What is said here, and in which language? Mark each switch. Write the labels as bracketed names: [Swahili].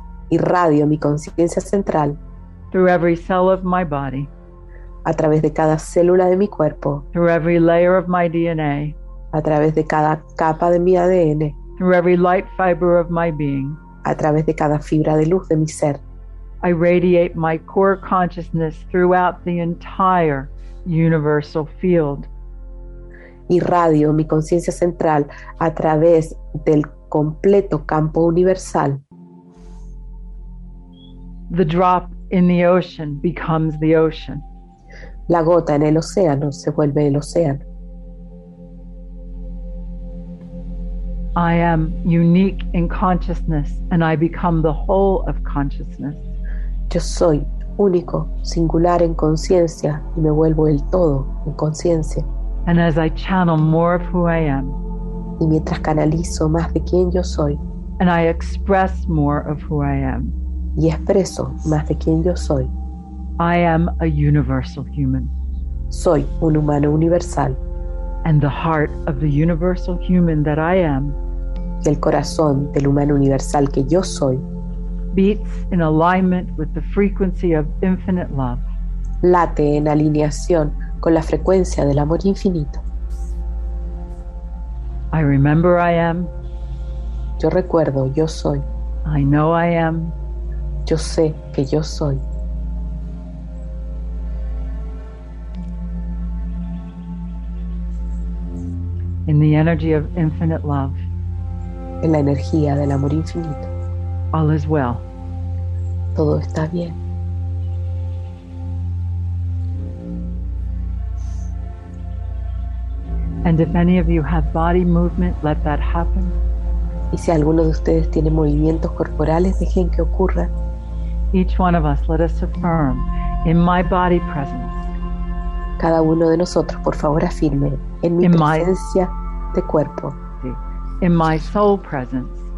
[Spanish] Irradio mi conciencia central. [English] Through every cell of my body. [Spanish] A través de cada célula de mi cuerpo. [English] Through every layer of my DNA. [Spanish] A través de cada capa de mi ADN. [English] Through every light fiber of my being. [Spanish] A través de cada fibra de luz de mi ser. [English] I radiate my core consciousness throughout the entire universal field. [Spanish] Irradio mi conciencia central a través del completo campo universal. [English] The drop in the ocean becomes the ocean. [Spanish] La gota en el océano se vuelve el océano. [English] I am unique in consciousness and I become the whole of consciousness. [Spanish] Yo soy único, singular en conciencia y me vuelvo el todo en conciencia. [English] And as I channel more of who I am. [Spanish] Y mientras canalizo más de quién yo soy. [English] And I express more of who I am. [Spanish] Y expreso más de quién yo soy. [English] I am a universal human. [Spanish] Soy un humano universal. [English] And the heart of the universal human that I am. [Spanish] Y el corazón del humano universal que yo soy. [English] Beats in alignment with the frequency of infinite love. [Spanish] Late en alineación con la frecuencia del amor infinito. [English] I remember I am. [Spanish] Yo recuerdo, yo soy. [English] I know I am. [Spanish] Yo sé que yo soy. [English] In the energy of infinite love. [Spanish] En la energía del amor infinito. [English] All is well. [Spanish] Todo está bien. [English] And if any of you have body movement, let that happen. [Spanish] Y si alguno de ustedes tiene movimientos corporales, dejen que ocurra. [English] Each one of us, let us affirm, in my body presence. [Spanish] Cada uno de nosotros, por favor, afirme, en mi presencia de cuerpo. [English] In my soul presence.